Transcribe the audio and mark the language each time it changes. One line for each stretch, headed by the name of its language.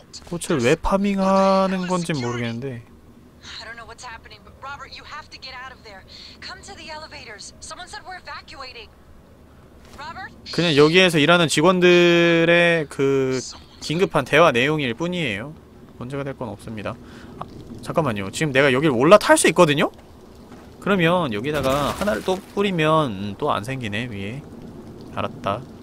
Korean: 꽃을 왜 파밍하는 건지 모르겠는데.
English: I don't know what's happening, but Robert, you have to get out of there. Come to the elevators. Someone said we're evacuating. Robert?
Korean: 그냥 여기에서 일하는 직원들의 그 긴급한 대화 내용일 뿐이에요. 문제가 될 건 없습니다. 아, 잠깐만요. 지금 내가 여기를 올라탈 수 있거든요? 그러면 여기다가 하나를 또 뿌리면 또 안 생기네, 위에. 알았다.